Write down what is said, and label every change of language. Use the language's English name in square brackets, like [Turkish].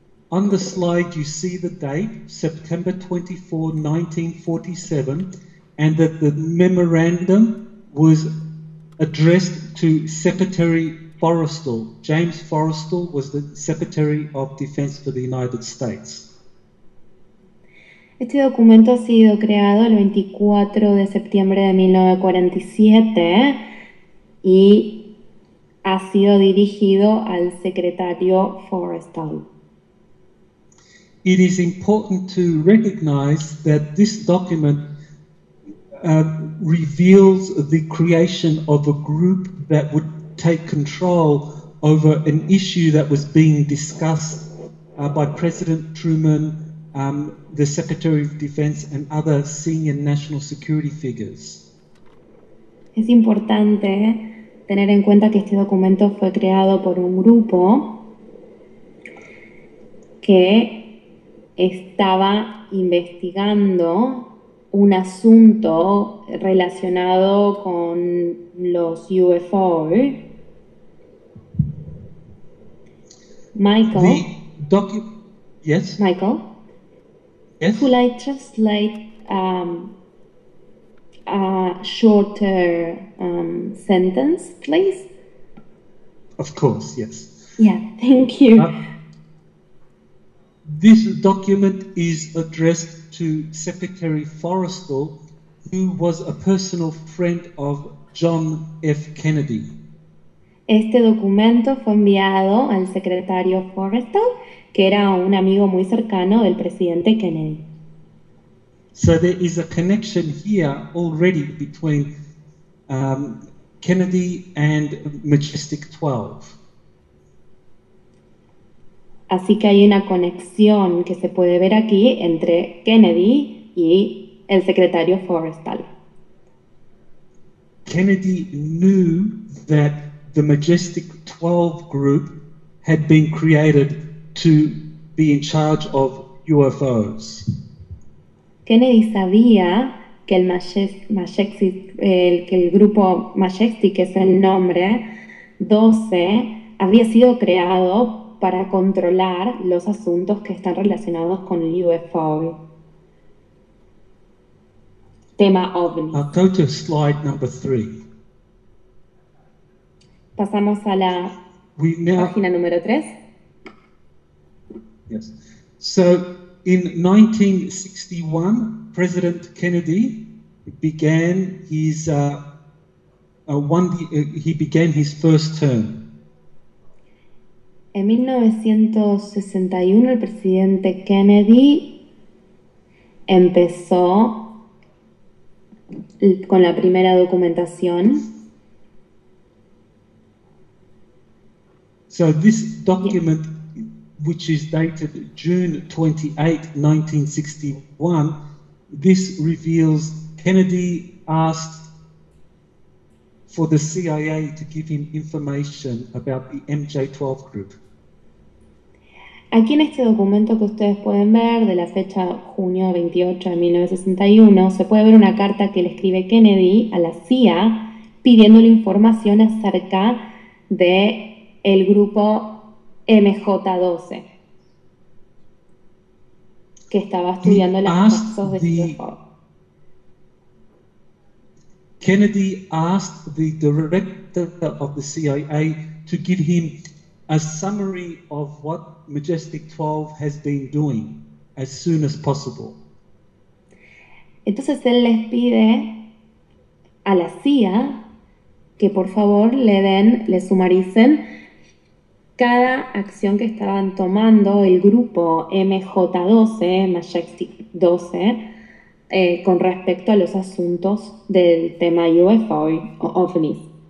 [English] On the slide you see the date, September 24, 1947, and that the memorandum was addressed to Secretary Forrestal. James Forrestal was the Secretary of Defense for the United States. [Spanish] Este documento ha sido creado el 24 de septiembre de 1947 y ha sido dirigido al secretario Forrestal. [English] It is important to recognize that this document reveals the creation of a group that would take control over an issue that was being discussed by President Truman, the Secretary of Defense, and other senior national security figures. [Spanish] Es importante tener en cuenta que este documento fue creado por un grupo que estaba investigando un asunto relacionado con los UFO. [English] Michael. Yes. Michael. Yes. Could I translate a shorter sentence, please? Of course, yes. Yeah, thank you. This document is addressed to Secretary Forrestal, who was a personal friend of John F. Kennedy. [Spanish] Este documento fue enviado al secretario Forrestal, que era un amigo muy cercano del presidente Kennedy. [English] So there is a connection here already between Kennedy and Majestic 12. [Spanish] Así que hay una conexión que se puede ver aquí entre Kennedy y el secretario Forrestal. [English] Kennedy knew that the Majestic 12 group had been created to be in charge of UFOs. [Spanish] Kennedy sabía que el grupo Majestic, que es el nombre, 12, había sido creado para controlar los asuntos que están relacionados con el UFO. Tema OVNI. [English] I'll go to slide number 3. [Spanish] Pasamos a la página número 3. [English] Yes. So, in 1961, President Kennedy began his first term. [Spanish] En 1961, el presidente Kennedy empezó con la primera documentación. [English] So this document, which is dated June 28, 1961, this reveals Kennedy asked for the CIA to give him information about the MJ-12 group. [Spanish] Aquí en este documento que ustedes pueden ver, de la fecha junio 28 de 1961, se puede ver una carta que le escribe Kennedy a la CIA pidiéndole información acerca de el grupo MJ-12 que estaba estudiando los casos de UFO. [English] Kennedy asked the director of the CIA to give him a summary of what Majestic 12 has been doing as soon as possible. [Spanish] Entonces él les pide a la CIA que por favor le sumaricen cada acción que estaban tomando el grupo MJ-12, Majestic 12, con respecto a los asuntos del tema UFO o OVNI.